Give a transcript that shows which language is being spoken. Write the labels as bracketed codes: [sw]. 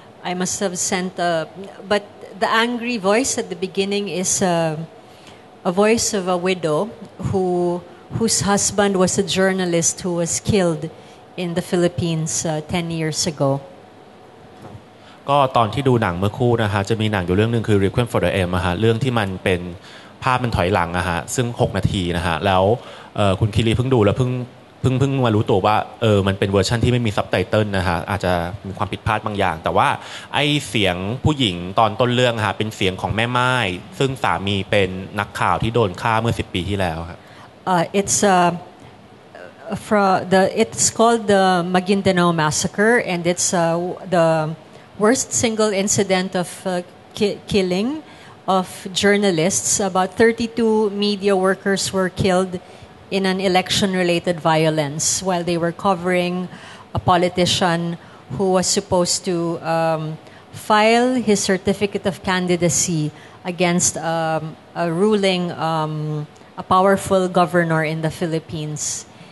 [en] I must have sent a... But the angry voice at the beginning is a voice of a widow whose husband was a journalist who was killed in the Philippines 10 years ago. [th] ก็ตอนที่ดูหนังเมื่อคู่นะฮะจะมีหนังอยู่เรื่องนึงคือ Requiem for the M ฮะเรื่องที่มันเป็นภาพมันถอยหลังอะฮะซึ่ง6นาทีนะฮะแล้วคุณคิริเพิ่งดูแล้วเพิ่งมารู้ตัวว่ามันเป็นเวอร์ชันที่ไม่มีซับไตเติลนะฮะอาจจะมีความผิดพลาดบางอย่างแต่ว่าไอ้เสียงผู้หญิงตอนต้นเรื่องฮะเป็นเสียงของแม่ไม้ซึ่งสามีเป็นนักข่าวที่โดนฆ่าเมื่อ10ปีที่แล้วครับ [en] it's called the Maguindanao massacre and it's the worst single incident of killing of journalists. About 32 media workers were killed in an election-related violence while they were covering a politician who was supposed to file his certificate of candidacy against a ruling a powerful governor in the Philippines.